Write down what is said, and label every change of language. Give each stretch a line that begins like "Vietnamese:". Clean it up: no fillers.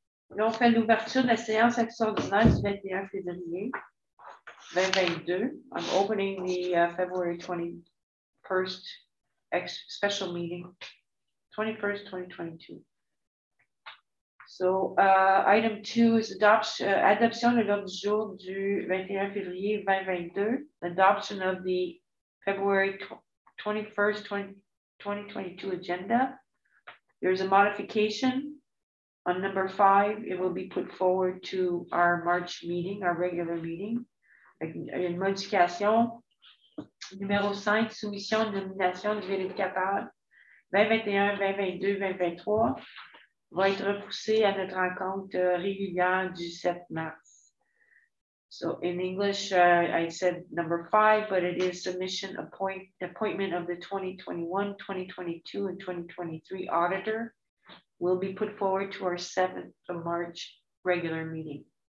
French: Là, on fait l'ouverture de la séance extraordinaire du 21 février 2022.
English: I'm opening the February 21st special meeting, 21st, 2022. So, item 2 is adoption
French: de l'ordre du jour du 21 février 2022,
English: adoption of the February 21st, 2022 agenda. There's a modification on number 5. It will be put forward to our March meeting, our regular meeting.
French: Une modification numéro 5, soumission de nomination du vérificateur 2021-2022-2023 va être repoussée à notre rencontre régulière du 7 mars.
English: So in English, I said number 5, but it is submission appointment of the 2021, 2022, and 2023 auditor will be put forward to our 7th of March regular meeting.